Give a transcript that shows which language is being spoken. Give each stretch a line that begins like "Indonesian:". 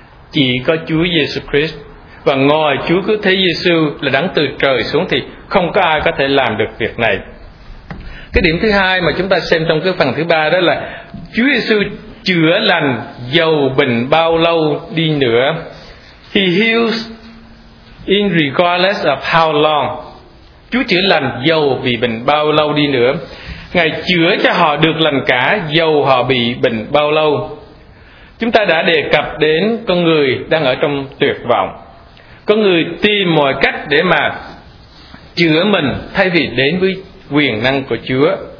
Vietnamese: Chỉ có Chúa Giêsu Christ. Và ngoài Chúa cứu thế Giêsu là đấng từ trời xuống thì không có ai có thể làm được việc này. Cái điểm thứ hai mà chúng ta xem trong cái phần thứ ba đó là Chúa Giêsu chữa lành dầu bệnh bao lâu đi nữa.
English: He heals in regardless of how long.
Vietnamese: Chúa chữa lành dầu bị bệnh bao lâu đi nữa. Ngài chữa cho họ được lành cả dầu họ bị bệnh bao lâu. Chúng ta đã đề cập đến con người đang ở trong tuyệt vọng, con người tìm mọi cách để mà chữa mình thay vì đến với quyền năng của Chúa.